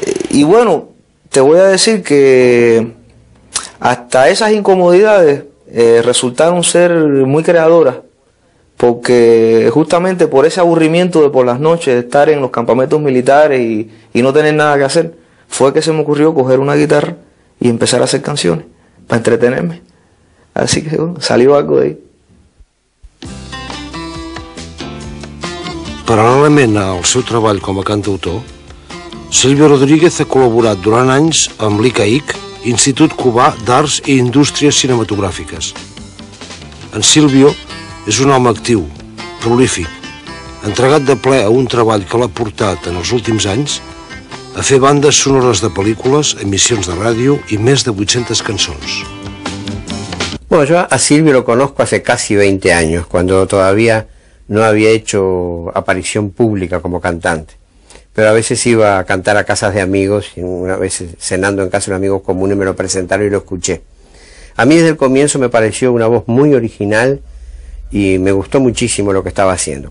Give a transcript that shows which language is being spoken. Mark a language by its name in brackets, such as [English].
[Spanish] y bueno, te voy a decir que hasta esas incomodidades resultaron ser muy creadoras, porque justamente por ese aburrimiento de por las noches de estar en los campamentos militares y no tener nada que hacer, fue que se me ocurrió coger una guitarra y empezar a hacer canciones para entretenerme. Así que bueno, salió algo de ahí. [Catalan] Paral·lelament al seu treball com a cantautor, Silvio Rodríguez ha col·laborat durant anys amb l'ICAIC, Institut Cubà d'Arts i Indústries Cinematogràfiques. En Silvio és un home actiu, prolífic, entregat de ple a un treball que l'ha portat en els últims anys a fer bandes sonores de pel·lícules, emissions de ràdio i més de 800 cançons. [Spanish] Bueno, yo a Silvio lo conozco hace casi 20 años, cuando todavía no había hecho aparición pública como cantante. Pero a veces iba a cantar a casas de amigos, y una vez cenando en casa de un amigo común y me lo presentaron y lo escuché. A mí desde el comienzo me pareció una voz muy original y me gustó muchísimo lo que estaba haciendo.